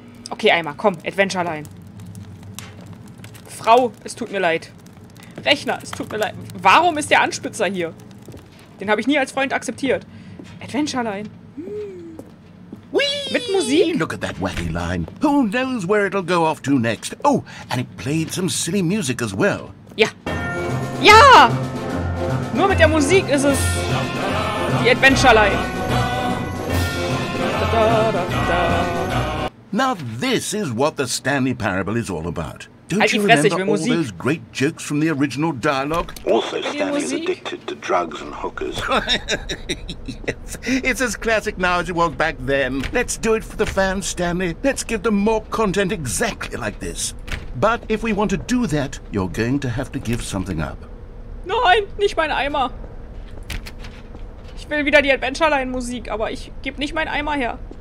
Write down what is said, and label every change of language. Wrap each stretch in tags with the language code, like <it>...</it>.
<de>Okay, Eimer, komm, Adventure Line. Frau, es tut mir leid. Rechner, es tut mir leid. Warum ist der Anspitzer hier? Den habe ich nie als Freund akzeptiert. Adventure Line. Whee! Mit Musik.</de> <en>Look at that wacky line. Who knows where it'll go off to next? Oh, and it played some silly music as well.</en> <de>Ja. Ja! Nur mit der Musik ist es die Adventure Line. Da, da, da, da.</de> <en>Now this is what the Stanley Parable is all about. Don't you remember all those great jokes from the original dialogue? Also, Stanley is addicted to drugs and hookers. Yes, it's as classic now as it was back then. Let's do it for the fans, Stanley. Let's give them more content exactly like this. But if we want to do that, you're going to have to give something up.</en> <de>Nein, nicht mein Eimer. Ich will wieder die Adventure Line Musik, aber ich gebe nicht mein Eimer her.</de>